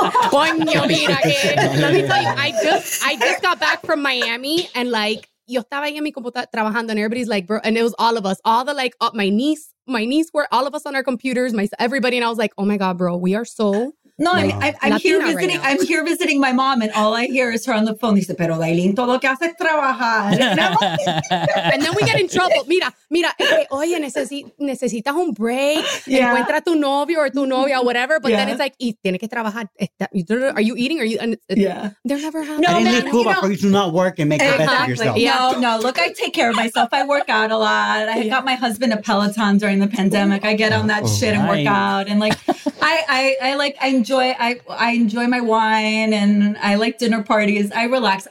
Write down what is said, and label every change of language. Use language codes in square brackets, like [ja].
[es] Coño, mira, [en] let me tell you, I just got back from Miami and like, [es] yo estaba ahí en mi computadora trabajando [en] and everybody's like, bro, and it was all of us, all the like, my niece were all of us on our computers, everybody. And I was like, oh my God, bro, we are so. No, I'm here visiting my mom and all I hear is her on the phone. [es] Dice, pero Daylene, todo que hace trabajar. [en] And then we get in trouble. [es] Mira, oye, necesitas un [en] break. Yeah. [es] Encuentra tu novio or tu novia [en] or whatever. But then it's like, [es] y tiene que trabajar. [en] Are you eating? They're never happy. No, man, Cuba, you know, you do not work and make the best of yourself. No, look, I take care of myself. I work out a lot. I got my husband a Peloton during the pandemic. I get on that shit and work out. And like, I enjoy my wine and I like dinner parties. I relax.